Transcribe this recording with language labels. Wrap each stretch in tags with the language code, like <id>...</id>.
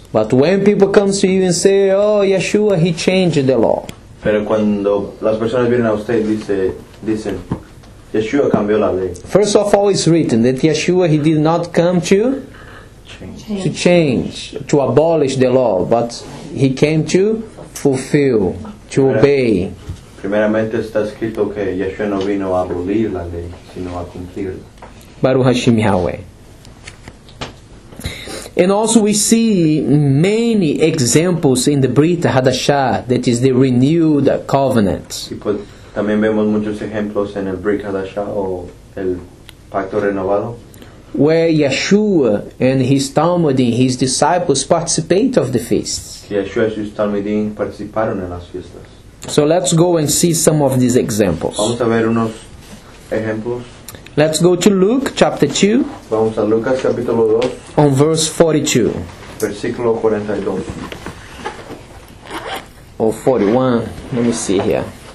<en>But when people come to you and say, oh, Yeshua, he changed the law.</en> <es>Pero cuando las personas vienen a usted dicen, Yeshua cambió la ley.</es> <en>First of all, it's written that Yeshua, he did not come to change. To change, to abolish the law, but he came to fulfill, to obey.</en> <es>Primeramente está escrito que Yeshua no vino a abolir la ley, sino a cumplirla.</es> <he>Baruch Hashem Yahweh.</he> <en>And also we see many examples in the Brit Hadashah, that is the renewed covenant.</en> <es>Y pues, también vemos muchos ejemplos en el Brit Hadashah o el pacto renovado.</es> <en>Where Yeshua and his Talmudim, his disciples, participate of the feasts.</en> <es>Yeshua y sus Talmudim participaron en las fiestas.</es> <en>So let's go and see some of these examples.</en> <es>Vamos a ver unos ejemplos.</es> <en>Let's go to Luke chapter 2.</en> <es>Vamos a Lucas capítulo 2.</es> <en>On verse 42.</en> <es>Versículo 42.</es> <en>Or 41. Let me see here.</en>